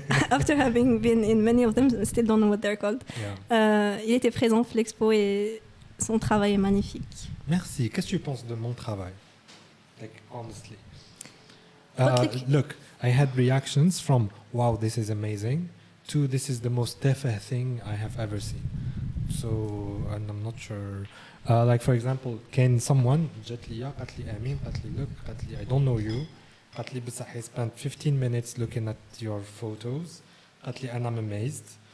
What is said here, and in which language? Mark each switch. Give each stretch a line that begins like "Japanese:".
English: After having been in many of them, still don't know what they're called. Yeah.
French: Il était présent à l'expo et son travail est magnifique. Merci. Qu'est-ce que tu penses de mon travail ?
English: Like, honestly. Look, I had reactions from, wow, this is amazing, to this is the most defa thing I have ever seen. So, and I'm not sure... like, for example, can someone, I don't know you, but I spent 15 minutes looking at your photos, and I'm amazed.